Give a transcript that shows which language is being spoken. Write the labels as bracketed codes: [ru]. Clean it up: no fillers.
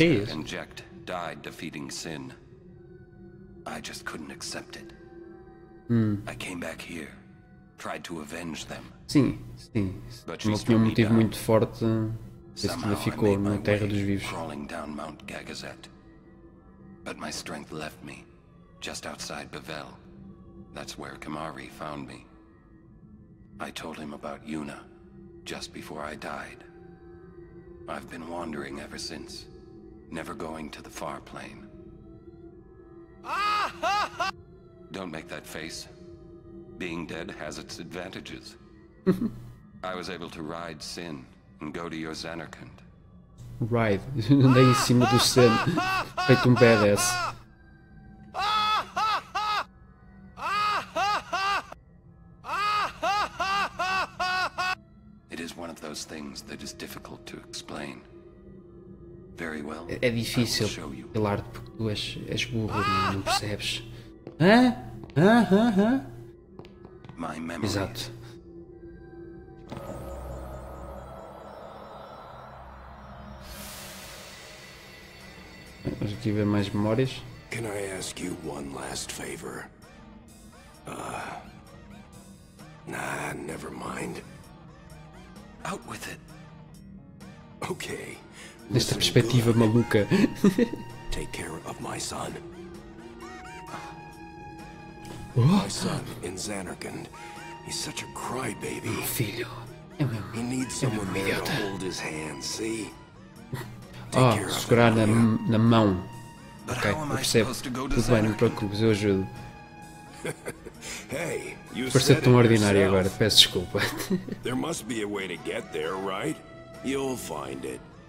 [en] Inject died defeating sin. I just couldn't accept it. I came back here. Tried to avenge them. [pt] Sim, sim. Não tinha um motivo muito forte. Esse ainda ficou na Terra dos Vivos. [en] Crawling down Mount Gagazet. But my strength left me, just outside Bavel. That's where Kamari found me. I told him about Yuna, just before I died. I've been wandering ever since, never going to the far plane. Don't make that face. Being dead has its advantages. I was able to ride Sin and go to your Xanarkand. [pt] Ride? Andei em cima do Sin. Feito badass. [en] It is one of those things that is difficult to explain. Very well. [pt] É difícil. Pilar, porque tu és burro e não percebes. Hã? Hã? [en] My memory. [pt] Exato. Vamos aqui ver mais memórias. [en] Can I ask you one last favor? Nah, never mind. Out with it. Okay. [pt] Nesta perspectiva maluca. [en] Take care of my son. My son in Xanarkand. He's such a crybaby. [pt] Meu filho. [en] He needs someone there to hold his hand, see? [pt] Oh, segurar na mão. Ok, eu percebo. Tudo bem, não me preocupes, eu ajudo. [en] Hey, [pt] pareceu tão ordinário agora, peço desculpa. [en] There must be a way to get there, right? You'll find it.